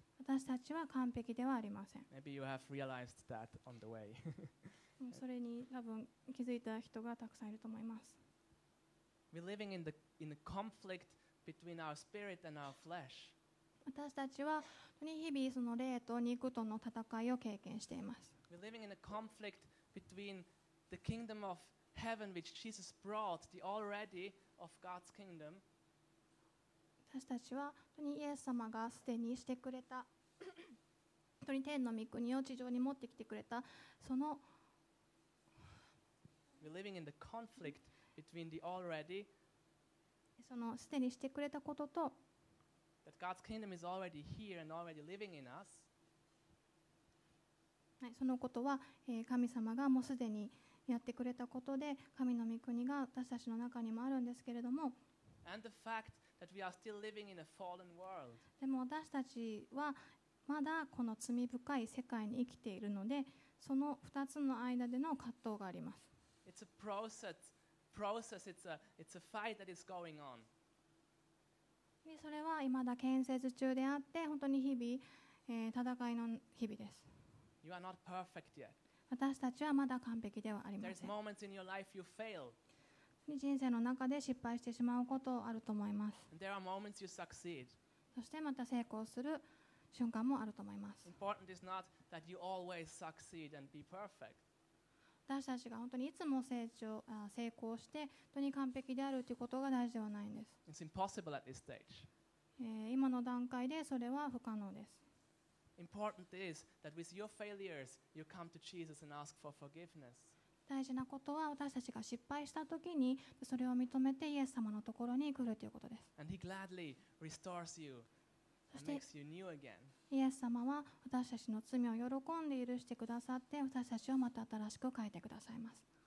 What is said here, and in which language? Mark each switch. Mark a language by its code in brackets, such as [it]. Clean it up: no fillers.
[ja] 私たちは完璧ではありません。 [en] Maybe you have realized that on the way. [ja] それに多分気づいた人がたくさんいると思います。 [en] We're living in the conflict between our spirit and our flesh. [ja] 私たちは本当に日々その霊と肉との戦いを経験しています。 [en] We're living in a conflict between the kingdom of heaven which Jesus brought, the already of God's kingdom. [ja] 私たちは本当にイエス様がすでにしてくれた本当に天の御国を地上に持ってきてくれたその [en] We're living in the conflict between the already [ja] そのすでにしてくれたことと [en] That God's kingdom is already here and already living in us. [ja] そのことは神様がもうすでにやってくれたことで神の御国が私たちの中にもあるんですけれども。 [en] And the fact that we are still living in a fallen world. [ja] でも私たちはまだこの罪深い世界に生きているので、その二つの間での葛藤があります。 [en] It's a process. It's a fight that is going on. [ja] それは未だ建設中であって本当に日々、戦いの日々です。 [en] You are not perfect yet. [ja] 私たちはまだ完璧ではありません。 [en] There is moments in your life you fail. [ja] 人生の中で失敗してしまうことあると思います。 [en] And there are moments you succeed. [ja] そしてまた成功する瞬間もあると思います。 [en] Important is not that you always succeed and be perfect. [ja] 私たちが本当にいつも成功して本当に完璧であるということが大事ではないんです。 [en] It's impossible at this stage. [ja] 今の段階でそれは不可能です。 [en] Important is that with your failures, you come to Jesus and ask for forgiveness. [ja] 大事なことは私たちが失敗したときにそれを認めてイエス様のところに来るということです。 [en] And he gladly restores you. [ja] そしてイエス様は私たちの罪を喜んで許してくださって私たちをまた新しく変えてくださいます。